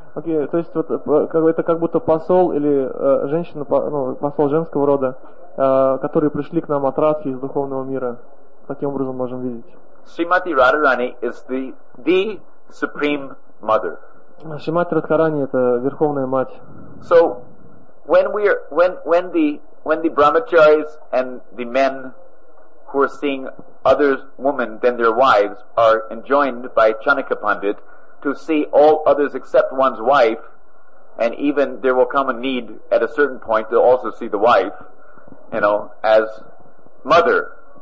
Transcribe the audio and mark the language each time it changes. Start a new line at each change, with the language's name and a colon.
Russian: Okay, то есть вот это как будто посол или женщина, ну, посол женского рода, которые пришли к нам от Радхи из духовного мира. Таким образом можем видеть.
English: Srimati Radharani is the supreme mother.
Russian: Шримати Радхарани это верховная мать.
English: So when the brahmacharis and the men who are seeing other women than their wives are enjoined by Chanaka Pandit to see all others except one's wife, and even there will come a need at a certain point to also see the wife, you know, as mother.